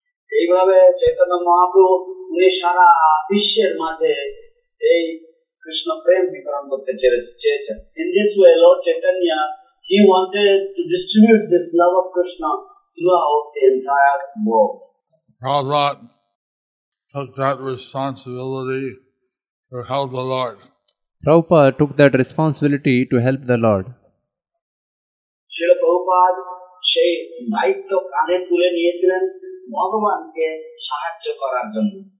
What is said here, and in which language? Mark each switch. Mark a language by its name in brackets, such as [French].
[Bangla] এইভাবে চৈতন্য মহাপ্রভু উনি সারা বিশ্বের মাঝে এই কৃষ্ণ প্রেম বিতরণ করতে চেয়েছেন. [English] In this way, Lord Chaitanya, he wanted to distribute this love of Krishna throughout the entire world. Prabhupada took that responsibility to help the Lord. Prabhupada took that responsibility to help the Lord. [Bangla] Srila Prabhupada সেই দায়িত্ব কাঁধে তুলে নিয়েছিলেন ভগবানকে সাহায্য করার জন্য.